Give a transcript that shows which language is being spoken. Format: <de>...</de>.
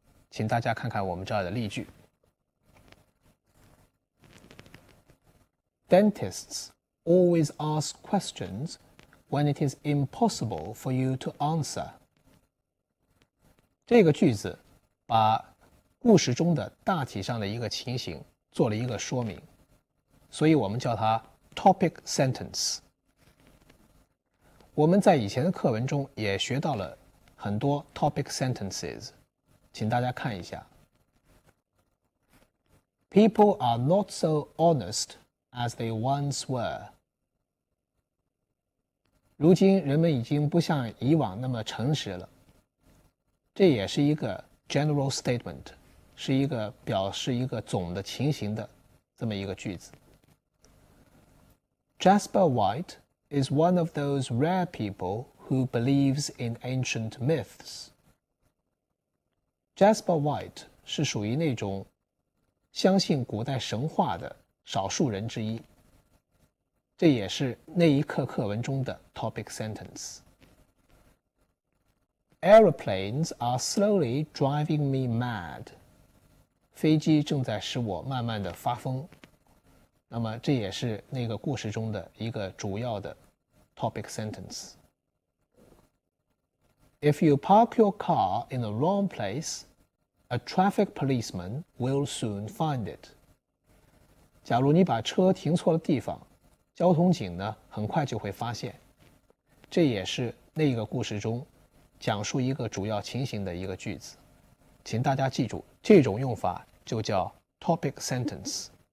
<zh>请大家看看我们这儿的例句。</zh> <en>Dentists always ask questions when it is impossible for you to answer.</en> <zh>这个句子把故事中的大体上的一个情形做了一个说明，所以我们叫它 topic sentence。我们在以前的课文中也学到了很多 topic sentences, 请大家看一下。</zh> <en>People are not so honest as they once were.</en> <zh>如今人们已经不像以往那么诚实了。这也是一个 general statement, 是一个表示一个总的情形的这么一个句子。</zh> <en>Jasper White,is one of those rare people who believes in ancient myths.</en> <zh>Jasper White 是属于那种相信古代神话的少数人之一。这也是那一课课文中的 topic sentence.</zh> <en>Aeroplanes are slowly driving me mad.</en> <zh>飞机正在使我慢慢的发疯。那么这也是那个故事中的一个主要的topic sentence.</zh> <en>If you park your car in the wrong place, a traffic policeman will soon find it.</en> <zh>假如你把车停错了地方，交通警呢，很快就会发现。这也是那个故事中讲述一个主要情形的一个句子。请大家记住，这种用法就叫 topic sentence。</zh>